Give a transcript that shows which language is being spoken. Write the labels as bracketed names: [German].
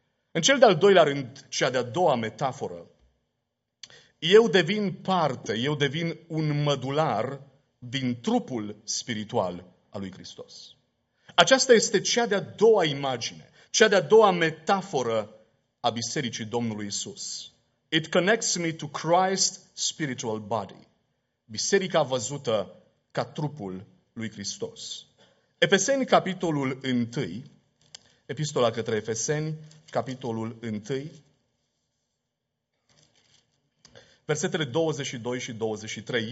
[Romanian] În cel de-al doilea rând, cea de-a doua metaforă, eu devin parte, eu devin un mădular din trupul spiritual al lui Hristos. Aceasta este cea de-a doua imagine, cea de-a doua metaforă a Bisericii Domnului Isus. [English] It connects me to Christ's spiritual body. [Romanian] Biserica văzută ca trupul lui Hristos. Efeseni, capitolul 1, epistola către Efeseni, capitolul 1, versetele 22 și 23.